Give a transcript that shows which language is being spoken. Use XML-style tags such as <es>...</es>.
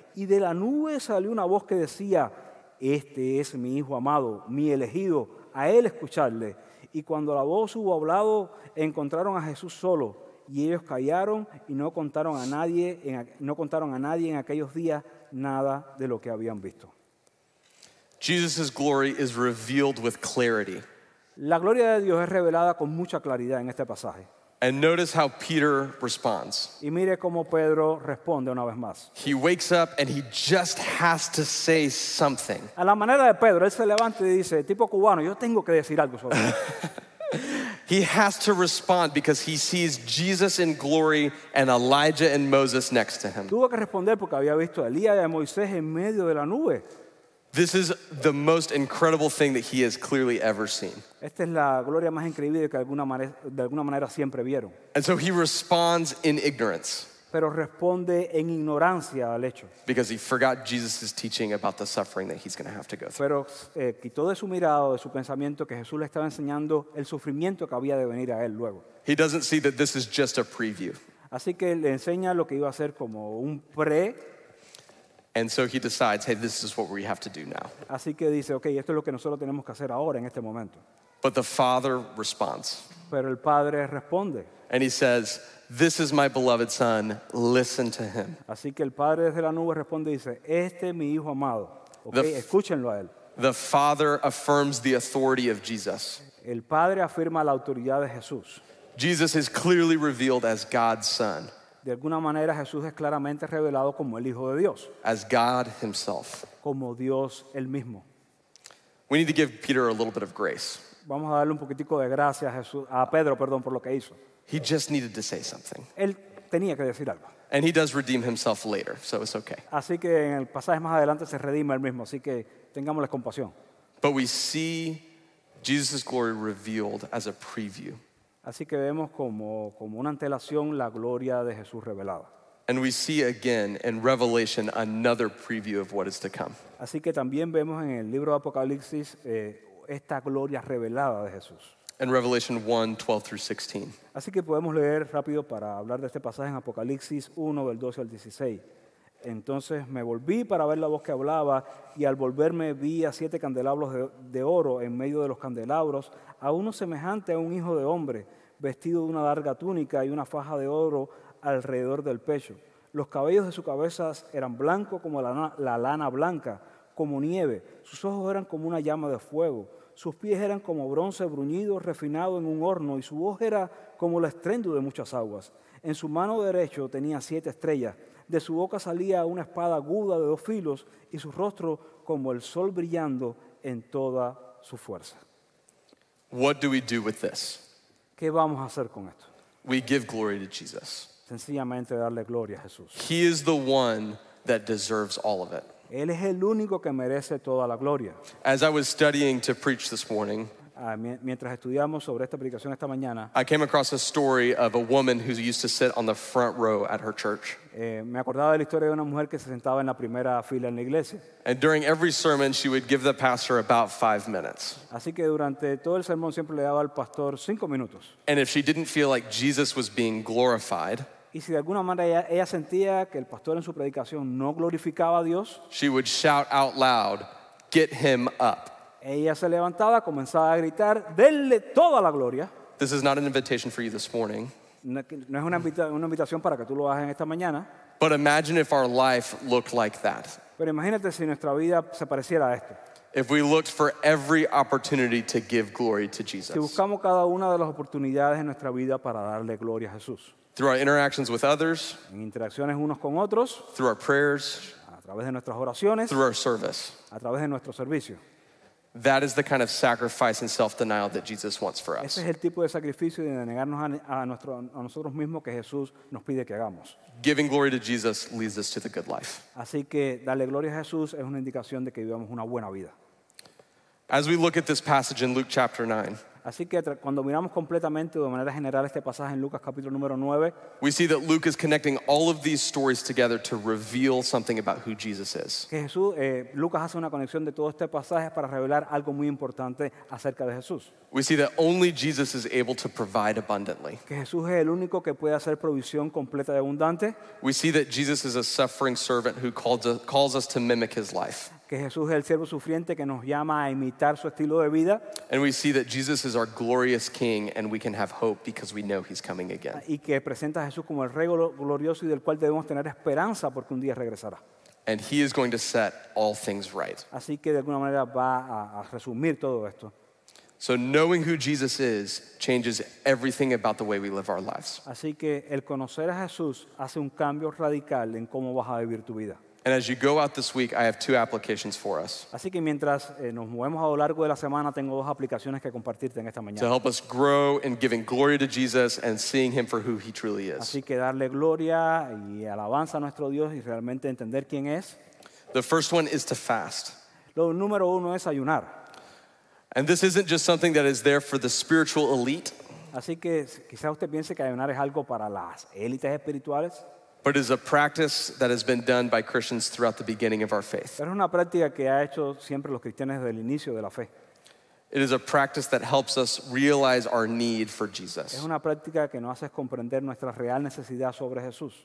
<es>Y de la nube salió una voz que decía, Este es mi Hijo amado, mi elegido, a él escucharle. Y cuando la voz hubo hablado, encontraron a Jesús solo. Y ellos callaron y no contaron a nadie en aquellos días nada de lo que habían visto.</es> <en>Jesus' glory is revealed with clarity.</en> <es>La gloria de Dios es revelada con mucha claridad en este pasaje.</es> <en>And notice how Peter responds.</en> <es>Y mire cómo Pedro responde una vez más.</es> <en>He wakes up and he just has to say something.</en> <es>A la manera de Pedro, él se levanta y dice, tipo cubano, yo tengo que decir algo sobre él.</es> <en>He has to respond because he sees Jesus in glory and Elijah and Moses next to him.</en> <es>Tuvo que responder porque había visto a Elías y a Moisés en medio de la nube.</es> <en>This is the most incredible thing that he has clearly ever seen.</en> <es>Esta es la gloria más increíble que de alguna manera siempre vieron.</es> <en>And so he responds in ignorance.</en> <es>Pero responde en ignorancia al hecho.</es> <en>Because he forgot Jesus' teaching about the suffering that he's going to have to go through.</en> <es>Pero quitó de su mirada, de su pensamiento, que Jesús le estaba enseñando el sufrimiento que había de venir a él luego.</es> <en>He doesn't see that this is just a preview.</en> <es>Así que le enseña lo que iba a ser como un pre.</es> <en>And so he decides, hey, this is what we have to do now.</en> <es>Así que dice, okay, esto es lo que nosotros tenemos que hacer ahora en este momento.</es> <en>But the Father responds.</en> <es>Pero el Padre responde.</es> <en>And he says, this is my beloved Son, listen to him.</en> <es>Así que el Padre desde la nube responde y dice, este es mi Hijo amado. Okay, escúchenlo a él.</es> <en>The Father affirms the authority of Jesus.</en> <es>El Padre afirma la autoridad de Jesús.</es> <en>Jesus is clearly revealed as God's Son.</en> <es>De alguna manera Jesús es claramente revelado como el Hijo de Dios.</es> <en>As God himself.</en> <es>Como Dios el mismo.</es> <en>We need to give Peter a little bit of grace.</en> <es>Vamos a darle un poquitico de gracia a Pedro, por lo que hizo.</es> <en>He just needed to say something.</en> <es>Él tenía que decir algo.</es> <en>And he does redeem himself later, so it's okay.</en> <es>Así que en el pasaje más adelante se redime él mismo, así que tengámosle compasión.</es> <en>But we see Jesus' glory revealed as a preview.</en> <es>Así que vemos como una antelación la gloria de Jesús revelada.</es> <en>And we see again in Revelation another preview of what is to come.</en> <es>Así que también vemos en el libro de Apocalipsis esta gloria revelada de Jesús.</es> <en>In Revelation 1, 12 through 16.</en> <es>Así que podemos leer rápido para hablar de este pasaje en Apocalipsis 1, del 12 al 16. Entonces me volví para ver la voz que hablaba, y al volverme vi a siete candelabros de oro en medio de los candelabros, a uno semejante a un hijo de hombre, vestido de una larga túnica y una faja de oro alrededor del pecho. Los cabellos de su cabeza eran blancos como la lana blanca, como nieve. Sus ojos eran como una llama de fuego. Sus pies eran como bronce bruñido refinado en un horno, y su voz era como el estruendo de muchas aguas. En su mano derecha tenía siete estrellas. De su boca salía una espada aguda de dos filos, y su rostro como el sol brillando en toda su fuerza.</es> <en>What do we do with this?</en> <es>¿Qué vamos a hacer con esto?</es> <en>We give glory to Jesus.</en> <es>sencillamente darle gloria a Jesús.</es> <en>He is the one that deserves all of it.</en> <es>Él es el único que merece toda la gloria.</es> <en>As I was studying to preach this morning,</en> <es>mientras estudiamos sobre esta predicación esta mañana,</es> <en>I came across a story of a woman who used to sit on the front row at her church.</en> <es>Me acordaba de la historia de una mujer que se sentaba en la primera fila en la iglesia.</es> <en>And during every sermon, she would give the pastor about 5 minutes.</en> <es>Así que durante todo el sermón siempre le daba al pastor 5 minutos.</es> <en>And if she didn't feel like Jesus was being glorified,</en> <es>y si de alguna manera ella sentía que el pastor en su predicación no glorificaba a Dios,</es> <en>she would shout out loud, "Get him up."</en> <es>Ella se levantaba, comenzaba a gritar, "Denle toda la gloria."</es> <en>This is not an invitation for you this morning.</en> <es>No es una invitación para que tú lo hagas en esta mañana.</es> <en>But imagine if our life looked like that.</en> <es>Pero imagínate si nuestra vida se pareciera a esto.</es> <en>If we looked for every opportunity to give glory to Jesus.</en> <es>Si buscamos cada una de las oportunidades en nuestra vida para darle gloria a Jesús.</es> <en>Through our interactions with others.</en> <es>En interacciones unos con otros.</es> <en>Through our prayers.</en> <es>A través de nuestras oraciones.</es> <en>Through our service.</en> <es>A través de nuestro servicio.</es> <en>That is the kind of sacrifice and self-denial that Jesus wants for us.</en> <es>Ese es el tipo de sacrificio de negarnos a nosotros mismos que Jesús nos pide que hagamos.</es> <en>Giving glory to Jesus leads us to the good life.</en> <es>Así que darle gloria a Jesús es una indicación de que vivamos una buena vida.</es> <en>As we look at this passage in Luke chapter 9,</en> <es>así que cuando miramos completamente de manera general este pasaje en Lucas capítulo número 9,</es> <en>we see that Luke is connecting all of these stories together to reveal something about who Jesus is.</en> <es>Que Jesús, Lucas hace una conexión de todo este pasaje para revelar algo muy importante acerca de Jesús.</es> <en>We see that only Jesus is able to provide abundantly.</en> <es>Que Jesús es el único que puede hacer provisión completa y abundante.</es> <en>We see that Jesus is a suffering servant who calls us to mimic his life.</en> <es>Que Jesús es el siervo sufriente que nos llama a imitar su estilo de vida.</es> <en>And we see that Jesus is our glorious king and we can have hope because we know he's coming again.</en> <es>Y que presenta a Jesús como el rey glorioso y del cual debemos tener esperanza porque un día regresará.</es> <en>And he is going to set all things right.</en> <es>Así que de alguna manera va a resumir todo esto.</es> <en>So knowing who Jesus is changes everything about the way we live our lives.</en> <es>Así que el conocer a Jesús hace un cambio radical en cómo vas a vivir tu vida.</es> <en>And as you go out this week, I have 2 applications for us.</en> <es>Así que mientras nos movemos a lo largo de la semana, tengo 2 aplicaciones que compartirte en esta mañana.</es> <en>To help us grow in giving glory to Jesus and seeing him for who he truly is.</en> <es>Así que darle gloria y alabanza a nuestro Dios y realmente entender quién es.</es> <en>The first one is to fast.</en> <es>Lo número uno es ayunar.</es> <en>And this isn't just something that is there for the spiritual elite.</en> <es>Así que quizás usted piense que ayunar es algo para las élites espirituales.</es> <en>But it is a practice that has been done by Christians throughout the beginning of our faith.</en> <es>Es una práctica que ha hecho siempre los cristianos desde el inicio de la fe.</es> <en>It is a practice that helps us realize our need for Jesus.</en> <es>Es una práctica que nos hace comprender nuestra real necesidad sobre Jesús.</es>